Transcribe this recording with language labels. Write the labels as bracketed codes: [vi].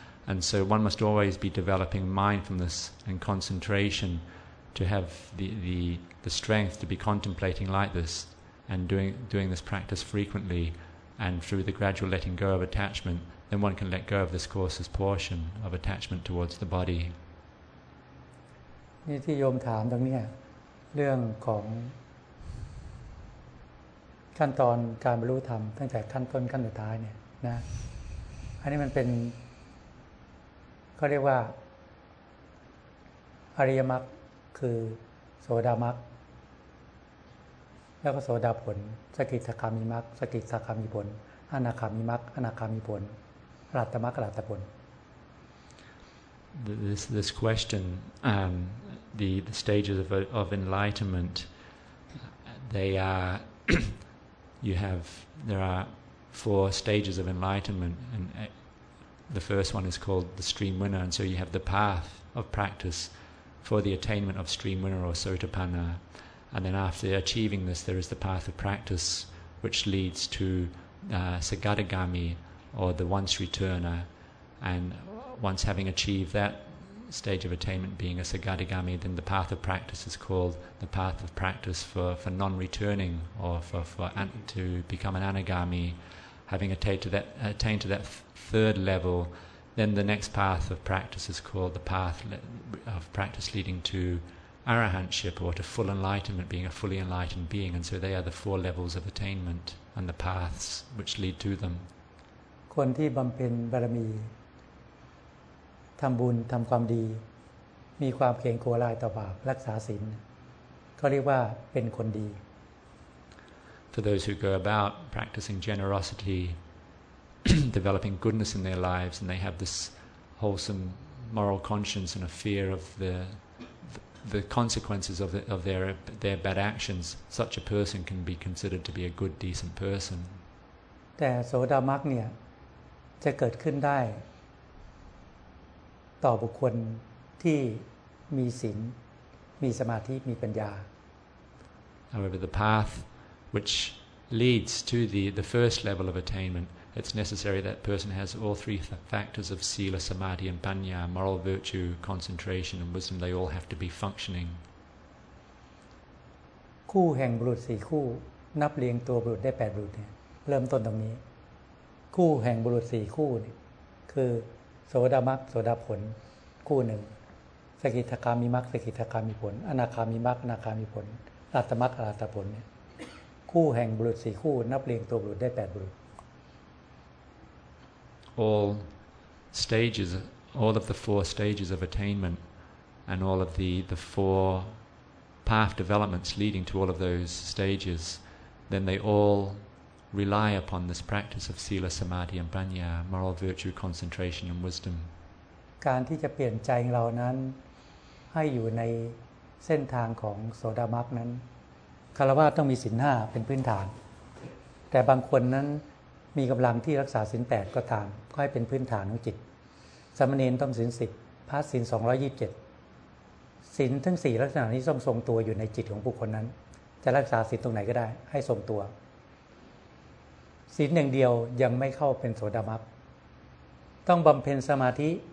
[en] And so one must always be developing mindfulness and concentration to have the strength to be contemplating like this and doing this practice frequently. And through the gradual letting go of attachment, then one can let go of this coarsest portion of attachment towards the body. [th] นี่ที่โยมถามตรงนี้เรื่องของขั้นตอนการบรรลุธรรมตั้งแต่ขั้นต้นขั้นสุดท้ายเนี่ยนะอันนี้มันเป็นเขาเรียกว่าอริยมรรคคือโสดามรรคแล้วก็โสดาผลสกิทาคามิมรรคสกิทาคามิผลอนาคามิมรรคอนาคามิผลอรหัตมรรคอรหัตผล [en] This question, the stages of enlightenment, they are, there are four stages of enlightenment, and the first one is called the stream winner, and so you have the path of practice for the attainment of stream winner or sotapanna, and then after achieving this there is the path of practice which leads to sagadagami or the once returner, and once having achieved thatstage of attainment being a sagadagami, then the path of practice is called the path of practice for non-returning or to become an anagami. Having attained to that third level, then the next path of practice is called the path of practice leading to arahantship or to full enlightenment, being a fully enlightened being. And so they are the four levels of attainment and the paths which lead to them. [th] คนที่บำเพ็ญบารมีทำบุญทำความดีมีความเกรงกลัวลายต่อบาปรักษาศีลเขาเรียกว่าเป็นคนดี [en] for those who go about practicing generosity, developing goodness in their lives, and they have this wholesome moral conscience and a fear of the consequences of the, of their bad actions, such a person can be considered to be a good, decent person. [th] แต่โสดามรรคเนี่ยจะเกิดขึ้นได้ต่อบุคคลที่มีศีลมีสมาธิมีปัญญา [en] However, the path which leads to the first level of attainment, it's necessary that person has all three factors of sila, samadhi and panya, moral virtue, concentration and wisdom. They all have to be functioning. [th] คู่แห่งบุรุษ4คู่นับเรียงตัวบุรุษได้8บุรุษเนี่ยเริ่มต้นตรงนี้คู่แห่งบุรุษ4คู่นี่คือโสดามรรคโสดาผลคู่หนึ่งสกิทาคามีมรรคสกิทาคามีผลอนาคามีมรรคอนาคามีผลอรหัตมรรคอรหัตผลเนี่ยคู่แห่งบุรุษ4คู่นับเรียงตัวบุรุษได้8บุรุษ [en] All stages, all of the four stages of attainment and all of the four path developments leading to all of those stages, then they all rely upon this practice of sila, samadhi and panya, moral virtue, concentration and wisdom. [th] การที่จะเปลี่ยนใจเรานั้นให้อยู่ในเส้นทางของโสดามรรคนั้นคารวะต้องมีศีล5เป็นพื้นฐานแต่บางคนนั้นมีกำลังที่รักษาศีล8ก็ตามก็ให้เป็นพื้นฐานของจิตสามเณรต้องศีล10พระศีล227ศีลทั้ง4ลักษณะนี้ต้องทรงตัวอยู่ในจิตของบุคคลนั้นจะรักษาศีลตรงไหนก็ได้ให้ทรงตัวศีลอย่างเดียวยังไม่เข้าเป็นโสดามรรคต้องบำเพ็ญสมาธิ